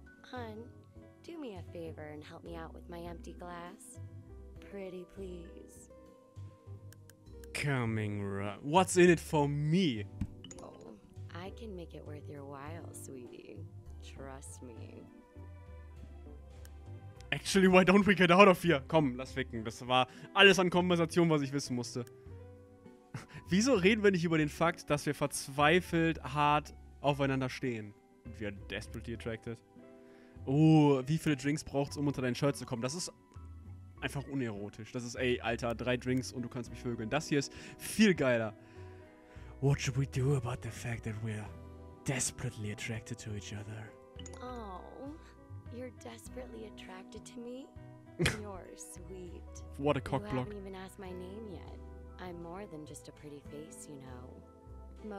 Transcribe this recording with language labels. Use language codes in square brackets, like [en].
[en] Hun, do me a favor and help me out with my empty glass. Pretty please. Coming right. What's in it for me? Oh, I can make it worth your while, sweetie. Trust me. Actually, why don't we get out of here? [de] Komm, lass ficken. Das war alles an Konversation, was ich wissen musste. Wieso reden wir nicht über den Fakt, dass wir verzweifelt hart aufeinander stehen? Und wir [en] desperately attracted. [de] Oh, wie viele Drinks braucht's, um unter dein Shirt zu kommen? Das ist einfach unerotisch. Das ist, ey, Alter, 3 Drinks und du kannst mich vögeln. Das hier ist viel geiler. [en] What should we do about the fact that we're desperately attracted to each other? Oh, you're desperately attracted to me? You're sweet. What a cock block. You haven't even asked my name yet. I'm more than just a pretty face, you know.